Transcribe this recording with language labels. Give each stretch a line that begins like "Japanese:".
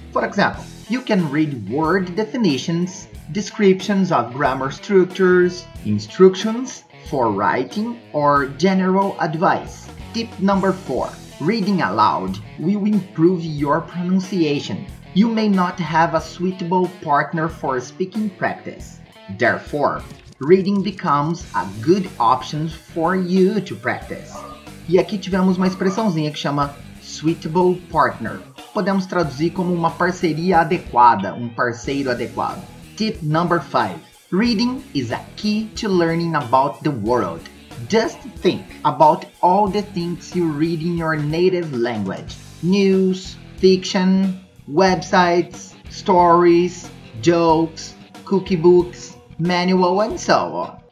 English: For example, you can read word definitions, descriptions of grammar structures, instructions for writing, or general advice. Tip number 4. Reading aloud will improve your pronunciation. You may not have a suitable partner for speaking practice. Therefore, reading becomes a good option for you to practice.
Portuguese: E aqui tivemos uma expressãozinha que chama
English: suitable partner.
Portuguese: Podemos traduzir como uma parceria adequada, um parceiro adequado.
English: Tip number 5. Reading is a key to learning about the world. Just think about all the things you read in your native language. News, fiction, websites, stories, jokes, cookie books, manual, and so on.